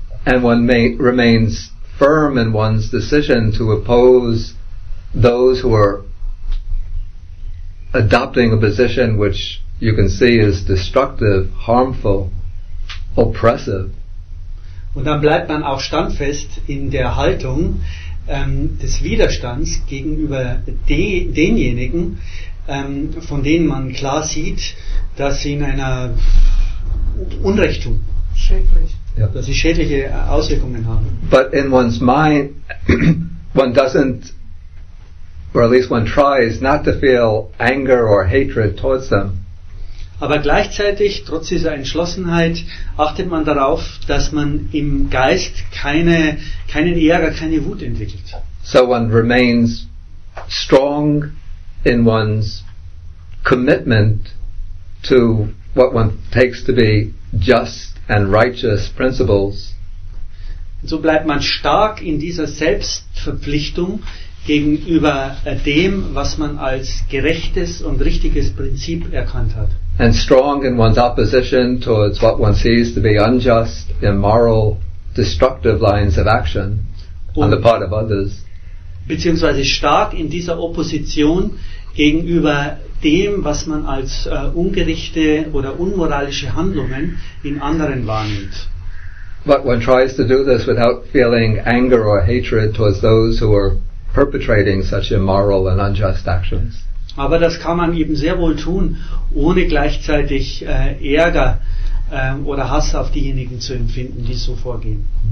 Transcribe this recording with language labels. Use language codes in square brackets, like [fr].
[en] And one remains firm in one's decision to oppose those who are adopting a position which you can see is destructive, harmful, oppressive. [de] Und dann bleibt man auch standfest in der Haltung des Widerstands gegenüber denjenigen, von denen man klar sieht, dass sie in einer Unrecht tun. Schädlich. Ja. Dass sie schädliche Auswirkungen haben. [en] But in one's mind, one doesn't, or at least one tries not to feel anger or hatred towards them. [de] Aber gleichzeitig, trotz dieser Entschlossenheit, achtet man darauf, dass man im Geist keinen Ärger, keine Wut entwickelt. [en] So one remains strong in one's commitment to what one takes to be just and righteous principles. [de] Und so bleibt man stark in dieser Selbstverpflichtung gegenüber dem, was man als gerechtes und richtiges Prinzip erkannt hat. [en] And strong in one's opposition towards what one sees to be unjust, immoral, destructive lines of action on the part of others. [de] Beziehungsweise stark in dieser Opposition gegenüber dem, was man als ungerechte oder unmoralische Handlungen in anderen wahrnimmt. [en] But one tries to do this without feeling anger or hatred towards those who are perpetrating such immoral and unjust actions. [de] Aber das kann man eben sehr wohl tun, ohne gleichzeitig Ärger oder Hass auf diejenigen zu empfinden, die so vorgehen.